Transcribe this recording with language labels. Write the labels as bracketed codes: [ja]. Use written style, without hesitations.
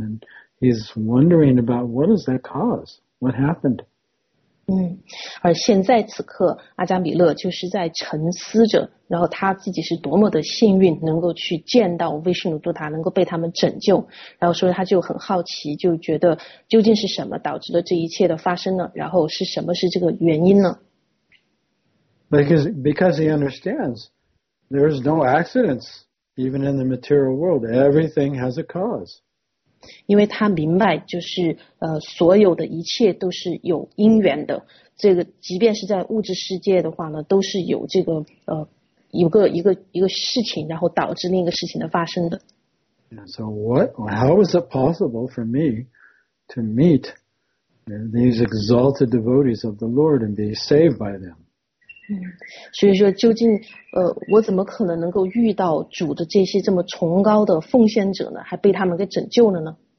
[en] And he's wondering about what is that cause? What happened? [zh] 而现在此刻阿伽米勒就是在沉思着，然后他自己是多么的幸运能够去见到 Vishnu Dutta, 能够被他们拯救，然后所以他就很好奇，就觉得究竟是什么导致了这一切的发生呢？然后是什么是这个原因呢？ [en] Because he understands,There's no accidents, even in the material world. Everything has a cause. [zh] 因为他明白就是所有的一切都是有因缘的。这个即便是在物质世界的话呢，都是有这个一个事情，然后导致另一个事情的发生的。 [en] So how was it possible for me to meet these exalted devotees of the Lord and be saved by them? [zh] 所以说究竟我怎么可能能够遇到主的这些这么崇高的奉献者呢，还被他们给拯救了呢？